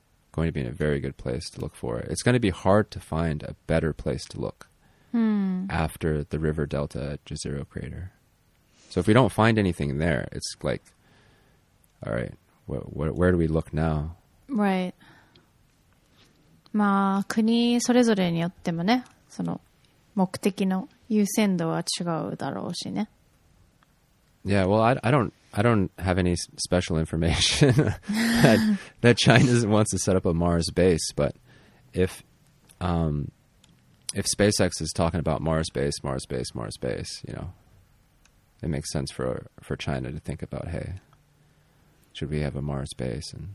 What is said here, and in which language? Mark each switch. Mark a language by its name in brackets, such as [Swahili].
[English] Going to be in a very good place to look for it. It's going to be hard to find a better place to look after the river delta at Jezero Crater. So if we don't find anything there, it's like, all right, where do we look now? Right. [Japanese] まあ国それぞれによってもね、その目的の優先度は違うだろうしね。 [English] Yeah, well, I don't have any special information that China wants to set up a Mars base, but if SpaceX is talking about Mars base, you know, it makes sense for China to think about, hey, should we have a Mars base?